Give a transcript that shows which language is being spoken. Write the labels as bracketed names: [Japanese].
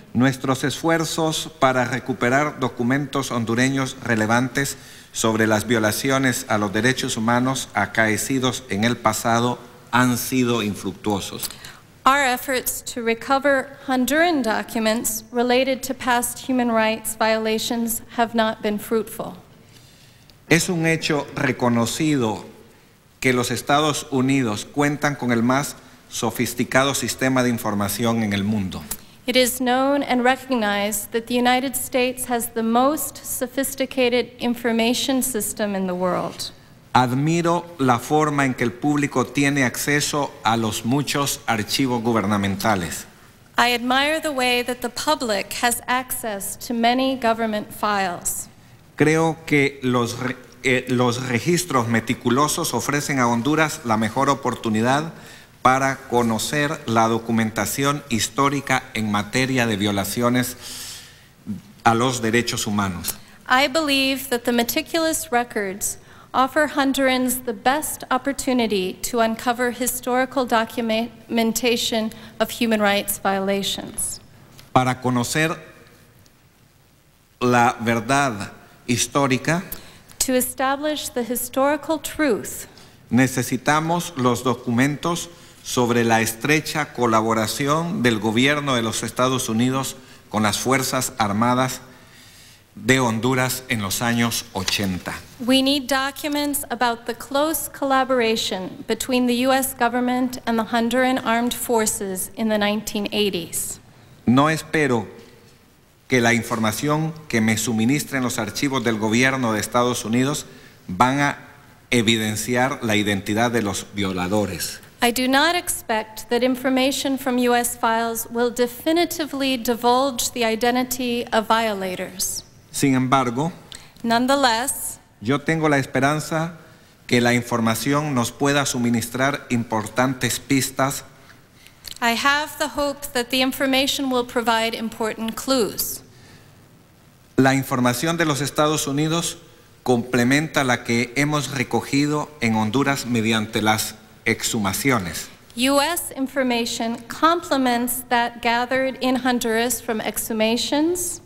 [Spanish] nuestros esfuerzos para recuperar documentos hondureños relevantes sobre las violaciones a los derechos humanos acaecidos en el pasado han sido infructuosos. [English] Our efforts to recover Honduran documents related to past human rights violations have not been fruitful. [Spanish] Es un hecho reconocido que los Estados Unidos cuentan con el más sofisticado sistema de información en el mundo. [English] It is known and recognized that the United States has the most sophisticated information system in the world. [Spanish] Admiro la forma en que el público tiene acceso a los muchos archivos gubernamentales. [English] I admire the way that the public has access to many government files. [Spanish] Creo que los registros meticulosos ofrecen a Honduras la mejor oportunidad para conocer la documentación histórica en materia de violaciones a los derechos humanos. [English] I believe that the meticulous records offer Hondurans the best opportunity to uncover historical documentation of human rights violations. [Spanish] Para conocer la verdad histórica, [English] to establish the historical truth, [Spanish] necesitamos los documentos sobre la estrecha colaboración del gobierno de los Estados Unidos con las Fuerzas Armadas de Honduras en los años 80. [English] We need documents about the close collaboration between the U.S. government and the Honduran armed forces in the 1980s. [Spanish] No espero que la información que me suministren los archivos del gobierno de Estados Unidos van a evidenciar la identidad de los violadores. [English] I do not expect that information from U.S. files will definitively divulge the identity of violators. [Spanish] Sin embargo, [English] nonetheless, [Spanish] yo tengo la esperanza que la información nos pueda suministrar importantes pistas. [English] I have the hope that the information will provide important clues. [Spanish] La información de los Estados Unidos complementa la que hemos recogido en Honduras mediante las exhumaciones. [English] U.S. information complements that gathered in Honduras from exhumations